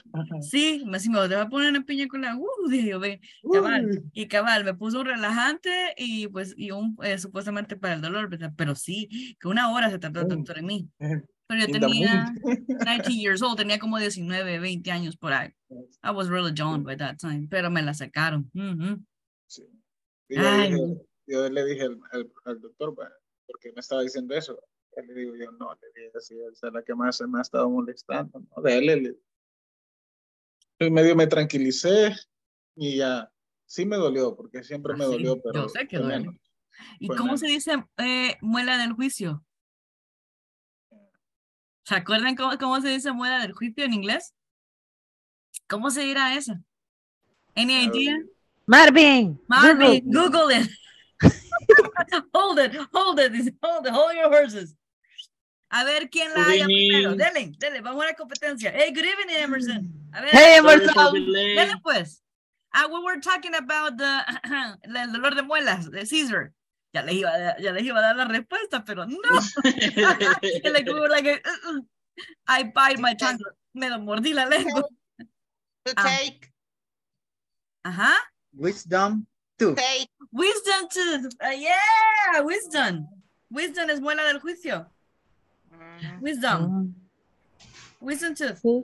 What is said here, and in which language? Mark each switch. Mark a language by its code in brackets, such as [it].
[es] Me voy a poner una piña colada, dije yo, ve, cabal. Y cabal, me puso un relajante y pues, y un supuestamente para el dolor, ¿verdad? Pero sí, que una hora se tardó el doctor en mí. Pero yo tenía [en] 19 years old, [es] tenía como 19, 20 años por ahí. [en] I was really young by that time, [es] pero me la sacaron. Mm-hmm. Sí. Yo le dije al doctor, porque me estaba diciendo eso. Él le digo yo, no, le dije así, esa es la que más se me ha estado molestando, ¿no? De él, y medio me tranquilicé, y ya, sí me dolió, porque siempre me dolió, pero yo sé que duele. Menos. ¿Y fue cómo menos. Se dice muela del juicio? ¿Se acuerdan cómo se dice muela del juicio en inglés? ¿Cómo se dirá esa? [en] ¿Any idea? [es] Marvin, [en] Google it. Hold it, hold your horses. [es] A ver quién la haya primero. Dele, vamos a la competencia. [en] Hey, good evening, Emerson. [es] A ver, [en] hey, Emerson. [es] Dele, pues. [en] We were talking about the [es] el dolor de muelas de [en] Caesar. [es] Ya les iba a dar la respuesta, pero no. [en] I bite my tongue. [es] Me lo mordí la lengua. [en] To take. Wisdom. Take. Wisdom to yeah, wisdom. Wisdom [es] es muela del juicio. [en] Wisdom. Wisdom tooth.